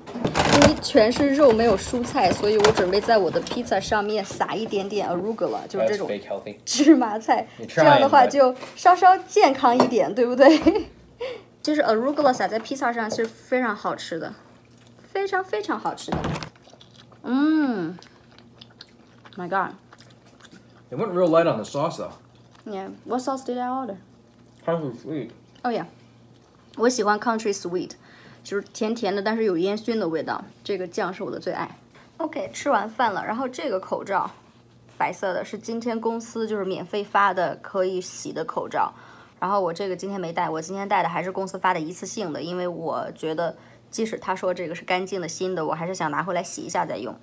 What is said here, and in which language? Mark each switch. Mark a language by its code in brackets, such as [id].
[zh] 因为全是肉没有蔬菜，所以我准备在我的披萨上面撒一点点 arugula， 就是这种芝麻菜，这样的话就稍稍健康一点，对不对？就是 arugula 撒在披萨上是非常好吃的，非常非常好吃的。 [en] 嗯 ，My God， it went real light on the sauce though. Yeah， what sauce did I order？ Country sweet. [zh] Oh yeah， 我喜欢 country sweet， 就是甜甜的，但是有烟熏的味道。这个酱是我的最爱。OK， 吃完饭了，然后这个口罩，白色的，是今天公司就是免费发的可以洗的口罩。然后我这个今天没戴，我今天戴的还是公司发的一次性的，因为我觉得即使他说这个是干净的新的，我还是想拿回来洗一下再用。